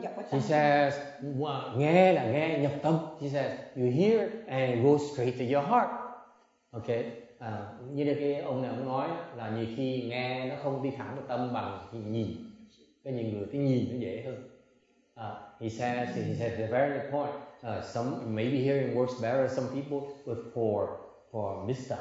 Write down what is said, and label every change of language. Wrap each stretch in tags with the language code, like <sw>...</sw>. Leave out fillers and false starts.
<en>She says,</en> <vi>nghe là nghe nhập tâm.</vi> <en>She says, you hear and go straight to your heart. Okay.</en> <vi>Như là cái ông này cũng nói là nhiều khi nghe nó không đi thẳng vào tâm bằng khi nhìn. Cái nhiều người cái nhìn nó dễ hơn.</vi> <en>He says the very point. Maybe hearing works better some people, but for Mr.</en>